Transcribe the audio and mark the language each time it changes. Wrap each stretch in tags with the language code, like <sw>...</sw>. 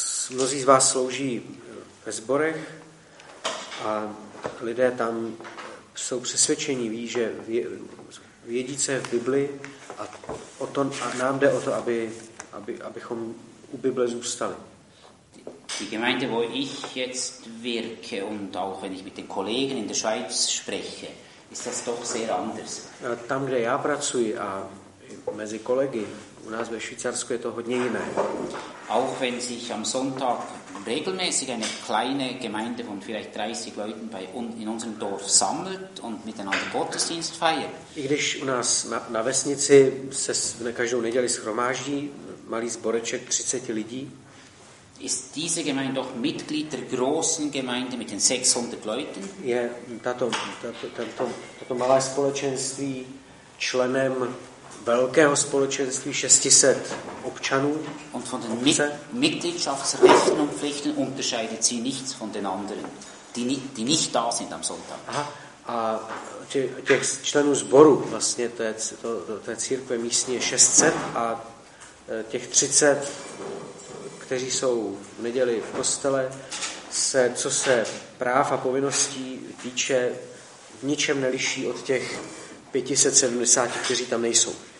<cs>Mnozí z vás slouží ve sborech a lidé tam jsou přesvědčení, ví, že vědí, co je v Bibli, a o to, a nám jde o to, abychom u Bible zůstali.</cs> <de>Die Gemeinde, wo ich jetzt wirke und auch wenn ich mit den Kollegen in der Schweiz spreche, ist das doch sehr anders.</de> <cs>Tam, kde já pracuji a mezi kolegy, u nás ve Švýcarsku je to hodně jiné.</cs> <de>Auch wenn sich am Sonntag regelmäßig eine kleine Gemeinde von vielleicht 30 Leuten bei in unserem Dorf sammelt und miteinander Gottesdienst feiert.</de> <cs>I když u nás na vesnici se na každou neděli shromáždí malý sboreček 30 lidí,</cs> <de>ist diese Gemeinde doch Mitglied der großen Gemeinde mit den 600 Leuten?</de> <cs>Je tato malé společenství členem velkého společenství 600 občanů.</cs> <de>Und von den Mitgliedschaftsrechten und Pflichten unterscheidet sie nichts von den anderen, die nicht da sind am Sonntag. Aha.</de> <cs>A těch členů sboru, vlastně to je církve místní, je 600 a těch 30, kteří jsou v neděli v kostele, se, co se práv a povinností týče, v ničem neliší od těch 570, kteří tam nejsou.</cs>